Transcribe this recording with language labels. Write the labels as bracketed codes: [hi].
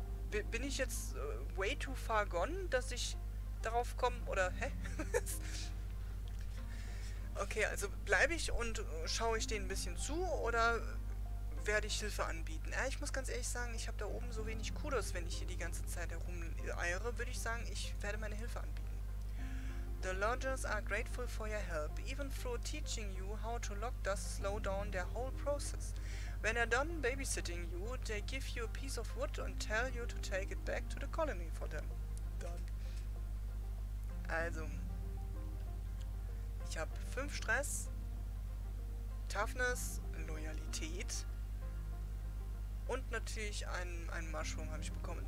[de] Bin ich jetzt [en] way too far gone, [de] dass ich darauf komme? Oder hä? Okay, also bleibe ich und schaue ich denen ein bisschen zu oder werde ich Hilfe anbieten? Ja, ich muss ganz ehrlich sagen, ich habe da oben so wenig Kudos, wenn ich hier die ganze Zeit herumeiere, würde ich sagen, ich werde meine Hilfe anbieten. [en] The lodgers are grateful for your help, even through teaching you how to lock does slow down their whole process. When they're done babysitting you, they give you a piece of wood and tell you to take it back to the colony for them. Done. [de] Also, ich habe 5 Stress, Toughness, Loyalität und natürlich einen Mushroom habe ich bekommen.